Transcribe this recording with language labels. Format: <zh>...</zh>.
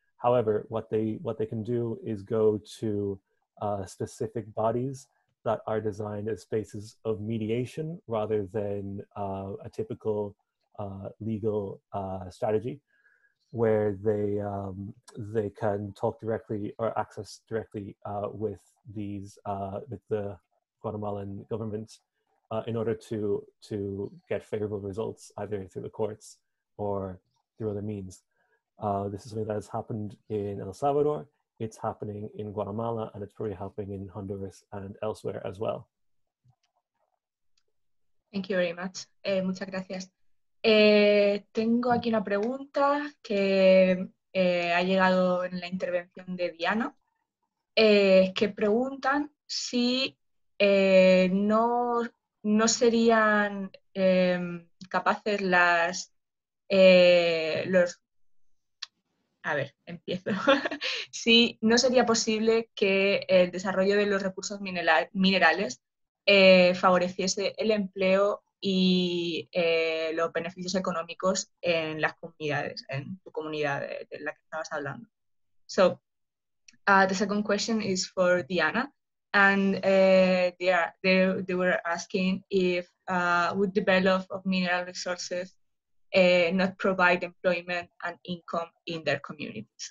<en>However, what they can do is go to specific bodies that are designed as spaces of mediation rather than a typical legal strategy, where they can talk directly or access directly with the Guatemalan government in order to get favorable results either through the courts or through other means. This is something that has happened in El Salvador, it's happening in Guatemala, and it's probably happening in Honduras and elsewhere as well. Thank you very much.</en> <es>Muchas gracias. Tengo aquí una pregunta que ha llegado en la intervención de Diana, que preguntan si no serían capaces las... los A ver, empiezo. Sí, no sería posible que el desarrollo de los recursos minerales favoreciese el empleo y los beneficios económicos en las comunidades, en tu comunidad de la que estabas hablando.</es> <en>So, the second question is for Diana, and they were asking if would the development of mineral resources not provide employment and income in their communities?</en>